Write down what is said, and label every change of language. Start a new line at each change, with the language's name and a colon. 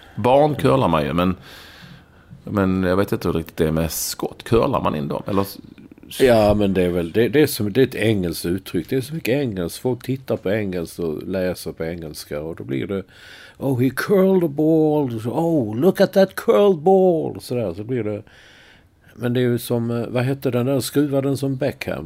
Swedish: Barn curlar man ju, men jag vet inte hur riktigt det är med skott. Curlar man in dem? Eller... Ja, men det är väl det är som, det är ett engelskt uttryck. Det är så mycket engelskt. Folk tittar på engelskt och läser på engelska, och då blir det,
English: oh, he curled a ball. Oh, look at that curled ball.
Swedish: Så där, så blir det. Men det är ju som, vad heter den där skruvaren som Beckham?